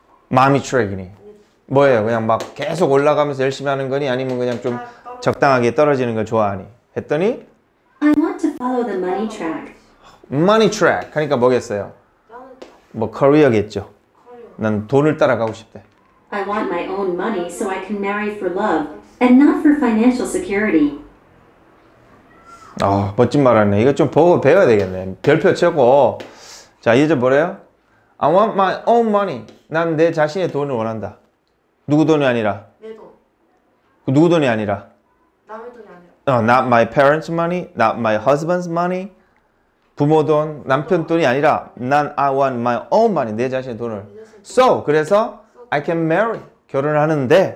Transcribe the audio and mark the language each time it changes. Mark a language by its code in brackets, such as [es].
[ko] 마음이 트랙이니 뭐예요? 그냥 막 계속 올라가면서 열심히 하는 거니 아니면 그냥 좀 적당하게 떨어지는 걸 좋아하니 했더니 [en] I want to follow the money track. [ko] Money track 하니까 뭐겠어요? 뭐 커리어겠죠. 난 돈을 따라가고 싶대. [en] I want my own money so I can marry for love and not for financial security. [ko] 아, 멋진 말 하네. 이거 좀 보고 배워야 되겠네. 별표 최고. 자, 이제 뭐래요? [en] I want my own money. [ko] 난 내 자신의 돈을 원한다. 누구 돈이 아니라? 내 돈. 누구 돈이 아니라? 남의 돈이 아니라. [en] Not my parents' money, not my husband's money. [ko] 부모 돈, 남편 돈이 아니라 난 [en] I want my own money, [ko] 내 자신의 돈을. 자신의 돈. So, 그래서 [en] I can marry, [ko] 결혼을 하는데,